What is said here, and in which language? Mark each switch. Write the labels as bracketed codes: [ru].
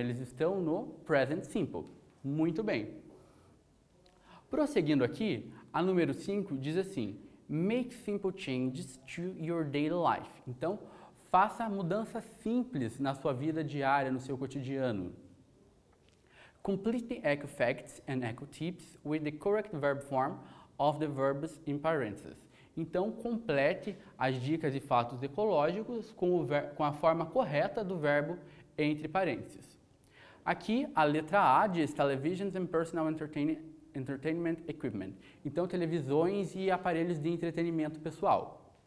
[pt] Eles estão no present simple. Muito bem. Prosseguindo aqui, a número 5 diz assim, [en] make simple changes to your daily life. [pt] Então, faça mudanças simples na sua vida diária, no seu cotidiano. [en] Complete the eco facts and eco tips with the correct verb form of the verbs in parentheses. [pt] Então, complete as dicas e fatos ecológicos com a forma correta do verbo entre parênteses. Aqui, a letra A diz [en] televisions and personal entertainment equipment. [pt] Então, televisões e aparelhos de entretenimento pessoal.